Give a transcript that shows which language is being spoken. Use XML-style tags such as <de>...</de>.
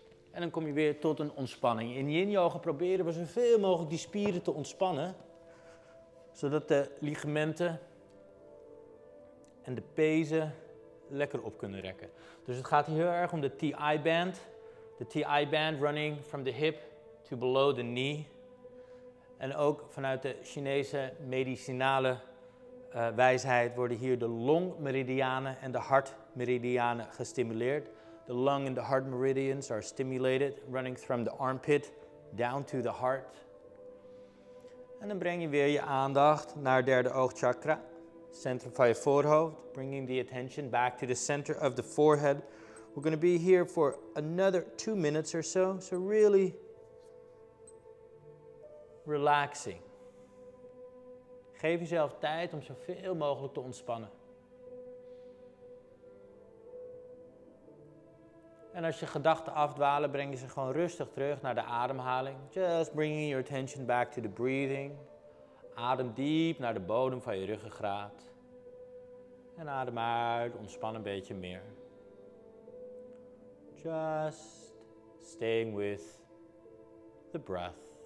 <nl>En dan kom je weer tot een ontspanning. In yin-yoga proberen we zoveel mogelijk die spieren te ontspannen. Zodat de ligamenten en de pezen lekker op kunnen rekken. Dus het gaat hier heel erg om de TI band.</nl> <en>De TI band running from the hip to below the knee.</en> <nl>En ook vanuit de Chinese medicinale wijsheid worden hier de longmeridianen en de hartmeridianen gestimuleerd.</nl> <en>The lung and the heart meridians are stimulated, running from the armpit down to the heart.</en> <nl>En dan breng je weer je aandacht naar het derde oogchakra, centrum van je voorhoofd,</nl> <en>bringing the attention back to the center of the forehead. We're going to be here for another 2 minutes or so, so really relaxing.</en> <nl>Geef jezelf tijd om zoveel mogelijk te ontspannen. En als je gedachten afdwalen, breng je ze gewoon rustig terug naar de ademhaling.</nl> <en>Just bringing your attention back to the breathing.</en> <nl>Adem diep naar de bodem van je ruggengraat. En adem uit, ontspan een beetje meer.</nl> <en>Just staying with the breath.</en>